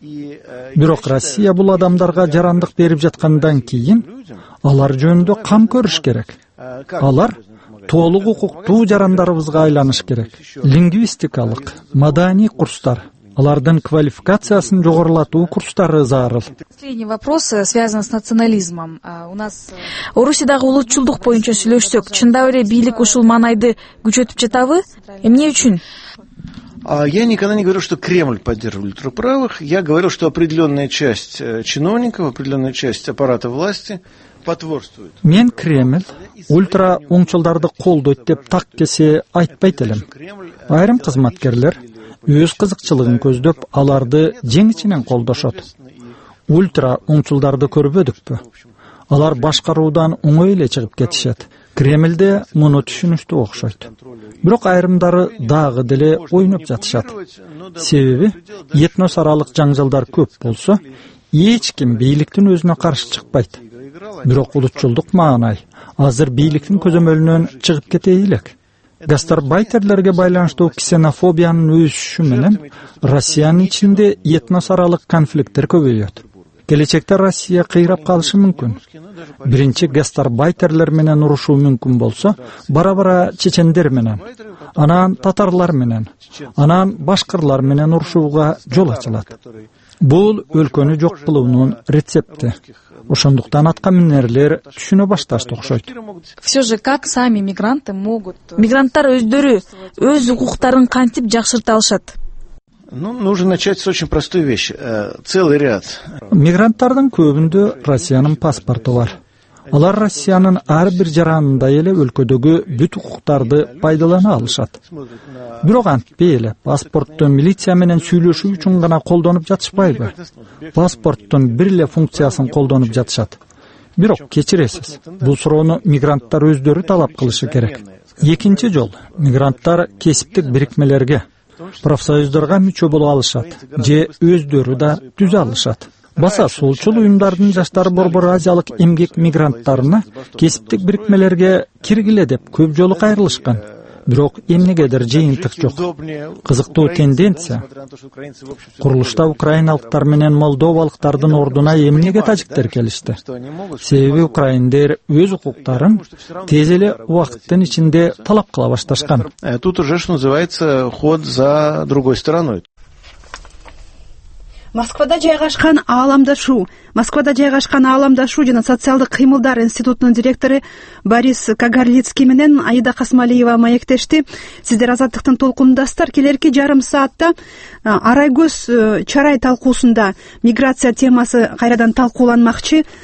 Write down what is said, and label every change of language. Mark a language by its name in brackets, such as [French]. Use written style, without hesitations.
[Kyrgyz] Бирок Россия бул адамдарга жарандык берип жаткандан кийин алар жөнүндө кам көрүш керек. Алар толук укуктуу жарандарыбызга айланыш керек. Лингвистикалык, маданий курстар, алардын квалификациясын жогорулатуу курстары зарыл. [Russian] Последний вопрос связан с национализмом. У нас [Kyrgyz] Орусиядагы улутчулдук боюнча сүйлөшсөк, чындап эле бийлик ушул маанайды күчөтүп жатабы? Эмне үчүн? [Russian] Я никогда не говорил, что Кремль поддерживает ультраправых. Я говорил, что определенная часть чиновников, определенная часть аппарата власти потворствует. [Kyrgyz] Мен Кремль ультра оңчулдарды колдойт деп так кесе айтпайт элем. Айрым кызматкерлер өз кызыкчылыгын көздөп аларды жең ичинен колдошот. Ультра оңчулдарды көрбөдүкпү? Алар башкаруудан оңой эле чыгып кетишет. Кремльде муну түшүнүштү окшойт. Бирок айрымдары дагы деле ойноп жатышат. Себеби этносаралык жаңжалдар көп болсо, эч ким бийликтин өзүнө каршы чыкпайт. Бирок улутчулдук маанай азыр бийликтин көзөмөлүнөн чыгып кете элек. Гастарбайтерлерге байланыштуу ксенофобиянын өсүшү менен Россиянын ичинде этнос аралык конфликттер көбөйөт. Келечекте Россия кыйрап калышы мүмкүн. Биринчи гастарбайтерлер менен урушуу мүмкүн болсо, бара-бара чечендер менен, анан татарлар менен, анан башкырлар менен урушууга жол ачылат. Бул өлкөнү жок кылуунун рецепти. Ошондуктан аткаминерлер түшүнө башташты окшойт. [Russian] Все же, как сами мигранты могут... [Kyrgyz] Мигранттар өздөрү өз укуктарын кантип жакшырта алышат? [Russian] Ну, нужно начать с очень простой вещи. Целый ряд. [Kyrgyz] Мигранттардын көбүндө Россиянын паспорту бар. Алар Россиянын ар бир жаранында эле өлкөдөгү бүт укуктарды пайдалана алышат. Бирок антпей эле паспортту милиция менен сүйлөшүү үчүн гана колдонуп жатышпайбы? Паспорттун бир эле функциясын колдонуп жатышат. Бирок кечиресиз, бул суроону мигранттар өздөрү талап кылышы керек. Экинчи жол, мигранттар кесиптик бирикмелерге, профсоюздарга мүчө боло алышат же өздөрү да түзө алышат. Баса солчул уюмдардын жаштар борбору азиялык эмгек мигранттарына кесиптик бирикмелерге киргиле деп көп жолу кайрылышкан. Бирок эмнегедир жыйынтык жок. Кызыктуу тенденция. Курулушта украиналыктар менен молдовалыктардын ордуна эмнеге тажиктер келишти? Себеби украиндер өз укуктарын тез эле убакыттын ичинде талап кыла башташкан. [Russian] Тут уже что называется ход за другой стороной. [Kyrgyz] Москвада жайгашкан ааламдашуу. Москвада жайгашкан ааламдашуу жана социалдык кыймылдар институтунун директору Борис Кагарлицкий менен Аида Касмалиева маектешти. Сиздер азаттыктын толкундасыздар. Келерки жарым саатта Арайгөз чарай талкуусунда миграция темасы кайрадан талкууланмакчы.